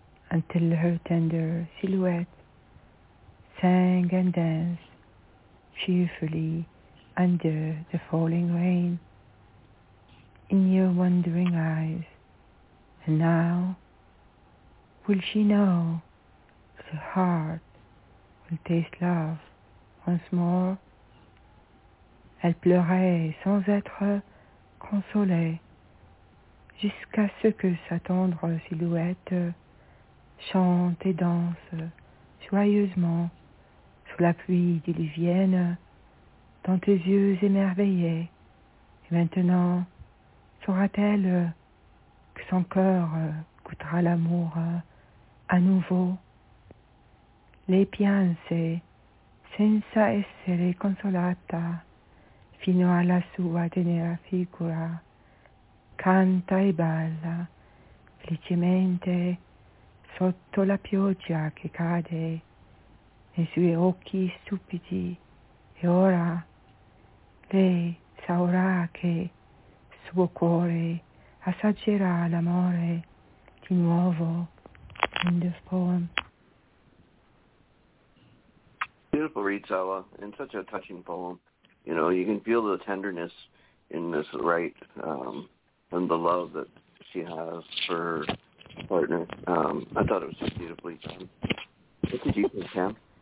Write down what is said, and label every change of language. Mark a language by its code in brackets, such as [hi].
[en] Until her tender silhouette sang and danced cheerfully under the falling rain in your wondering eyes. And now, will she know that her heart will taste love once more? [fr] Elle pleurait sans être consolée jusqu'à ce que sa tendre silhouette chante et danse joyeusement sous la pluie diluvienne dans tes yeux émerveillés. Et maintenant, saura-t-elle que son cœur goûtera l'amour à nouveau? [it] Les pianse senza essere consolata fino alla sua tenera figura canta e balla felicemente sotto la pioggia che cade nei suoi occhi stupidi. E ora lei sa ora che suo cuore assaggerà l'amore di nuovo. [en] In this poem. Beautiful read, Sawa, and such a touching poem. You know, you can feel the tenderness in this right and the love that she has for her partner. I thought it was just beautifully done. What did you think, Cam?